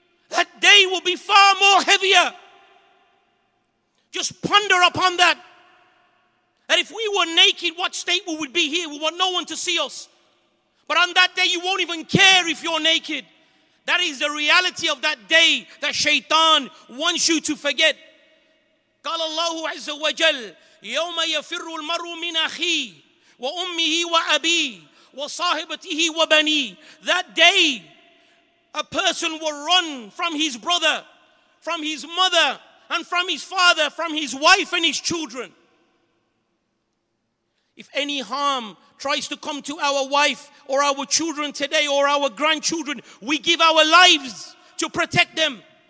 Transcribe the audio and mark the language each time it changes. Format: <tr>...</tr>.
<en>That day will be far more heavier. Just ponder upon that. That if we were naked, what state we would be here? We want no one to see us. But on that day, you won't even care if you're naked. That is the reality of that day that shaitan wants you to forget.</en> <ar>قال الله عز وجل يوم يفر المرء من أخيه وأمه وأبيه وصاحبته وبنيه.</ar> <en>That day, a person will run from his brother, from his mother, and from his father, from his wife and his children. If any harm tries to come to our wife or our children today or our grandchildren, we give our lives to protect them.</en>